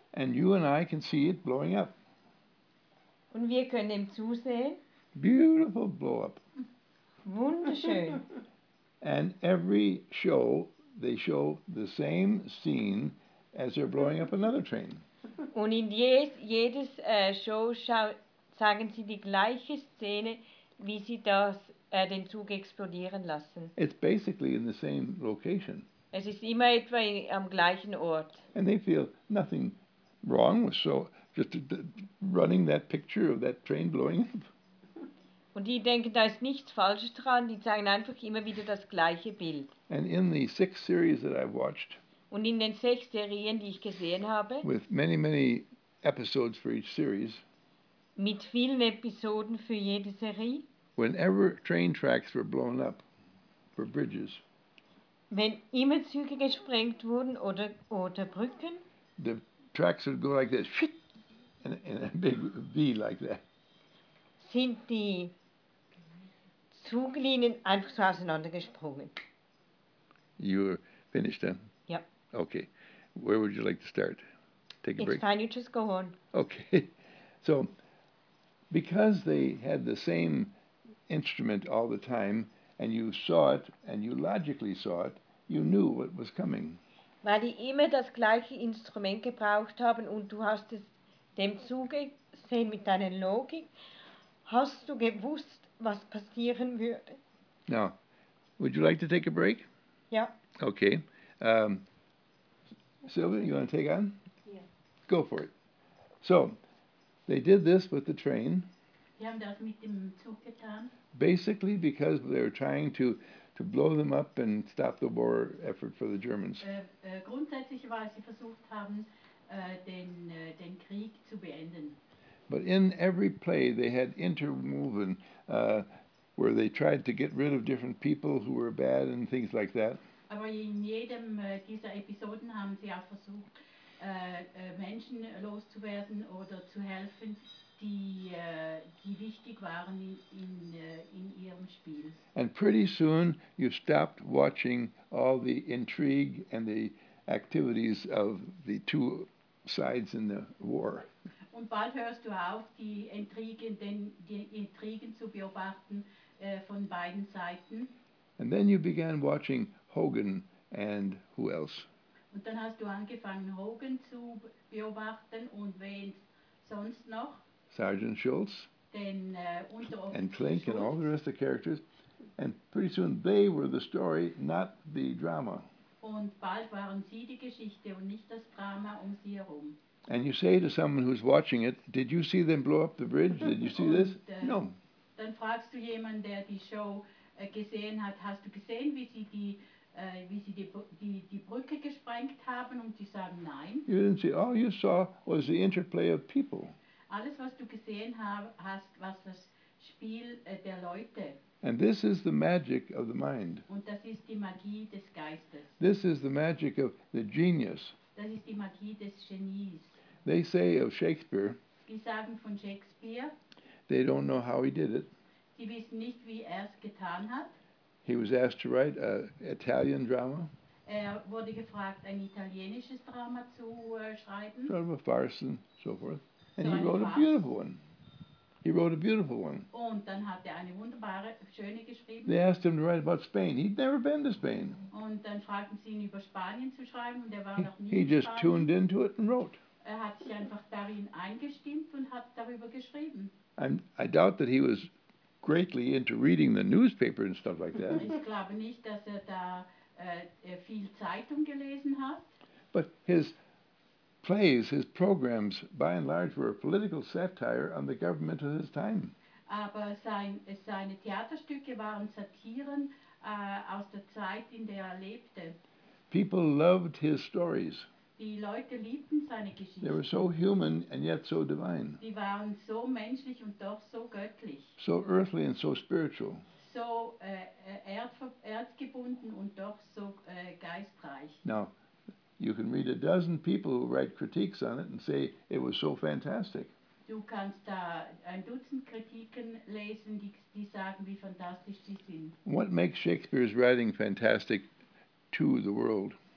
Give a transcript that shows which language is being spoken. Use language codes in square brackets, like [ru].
[en] And you and I can see it blowing up. [de] Und wir können dem zusehen. [en] Beautiful blow up. [de] Wunderschön. [en] And every show, they show the same scene as they're blowing up another train. [de] Und in jedes Show zeigen sie die gleiche Szene, wie sie das den Zug explodieren lassen. [en] It's basically in the same location. [de] Es ist immer etwa am gleichen Ort. [en] And they feel nothing wrong with so just running that picture of that train blowing up. [de] Und die denken, da ist nichts Falsches dran. Die zeigen einfach immer wieder das gleiche Bild. [en] And in the 6 series that I've watched. [de] Und in den 6 Serien, die ich gesehen habe, [en] with many, many episodes for each series, [de] mit vielen Episoden für jede Serie, [en] whenever train tracks were blown up for bridges, [de] wenn immer Züge gesprengt wurden oder Brücken, [en] the tracks would go like this, in a big V like that, [de] sind die Zuglinien einfach so auseinandergesprungen. [en] You're finished, huh? Okay, where would you like to start? Take a break. It's fine, you just go on. Okay, so because they had the same instrument all the time and you saw it and you logically saw it, you knew what was coming. [de] Weil die immer das gleiche Instrument gebraucht haben und du hast es dem zugesehen mit deiner Logik, hast du gewusst, was passieren würde. [en] Now, would you like to take a break? [de] Ja. [en] Okay. Sylvia, you want to take on? Yeah. Go for it. So, they did this with the train. [de] Die haben das mit dem Zug getan. [en] Basically because they were trying to blow them up and stop the war effort for the Germans. [de] Grundsätzlich, weil sie versucht haben, den Krieg zu beenden. [en] But in every play they had interwoven where they tried to get rid of different people who were bad and things like that. [de] Aber in jedem dieser Episoden haben sie auch versucht, Menschen loszuwerden oder zu helfen, die wichtig waren in ihrem Spiel. [en] And pretty soon you stopped watching all the intrigue and the activities of the two sides in the war. [de] Und bald hörst du auf, die Intrigen zu beobachten von beiden Seiten. [en] And then you began watching Hogan and who else? [de] Und dann hast du angefangen, Hogan zu beobachten und wen sonst noch? [en] Sergeant Schultz. [de] Den Unteroffizier. [en] And Clink and all the rest of the characters. And pretty soon they were the story, not the drama. [de] Und bald waren sie die Geschichte und nicht das Drama um sie herum. [en] And you say to someone who's watching it, did you see them blow up the bridge? Did you see [de] und, [en] this? No. [de] Dann fragst du jemanden, der die Show gesehen hat, hast du gesehen, wie sie die Brücke gesprengt haben, und sie sagen nein. [en] You didn't see. All you saw was the interplay of people. [de] Alles, was du gesehen hast, was das Spiel der Leute. [en] And this is the magic of the mind. [de] Und das ist die Magie des Geistes. [en] This is the magic of the genius. [de] Das ist die Magie des Genies. [en] They say of Shakespeare. [de] Die sagen von Shakespeare. [en] They don't know how he did it. [de] Sie wissen nicht, wie er's getan hat. [en] He was asked to write an Italian drama. [de] Er wurde gefragt, ein italienisches Drama zu schreiben. [en] Sort of a farce and so forth. And so he wrote farce. A beautiful one. He wrote a beautiful one. [de] Und dann hat er eine wunderbare, schöne geschrieben. [en] They asked him to write about Spain. He'd never been to Spain. [de] Und dann fragten sie ihn, über Spanien zu schreiben, und er war noch nie [en] he in just [de] Spanien. [en] Tuned into it and wrote. [de] Er hat sich einfach darin eingestimmt und hat darüber geschrieben. [en] I doubt that he was greatly into reading the newspaper and stuff like that. [de] Ich glaube nicht, dass er da viel Zeitung gelesen hat. [en] But his plays, his programs, by and large, were a political satire on the government of his time. [de] Aber seine Theaterstücke waren Satiren aus der Zeit, in der er lebte. [en] People loved his stories. [de] Die Leute liebten seine Geschichten. [en] They were so human and yet so divine. [de] Die waren so menschlich und doch so göttlich. [en] So earthly and so spiritual. [de] So erzgebunden und doch so geistreich. [en] Now, you can read a dozen people who write critiques on it and say it was so fantastic. [de] Du kannst da ein Dutzend Kritiken lesen, die sagen, wie fantastisch sie sind. [en] What makes Shakespeare's writing fantastic to the world?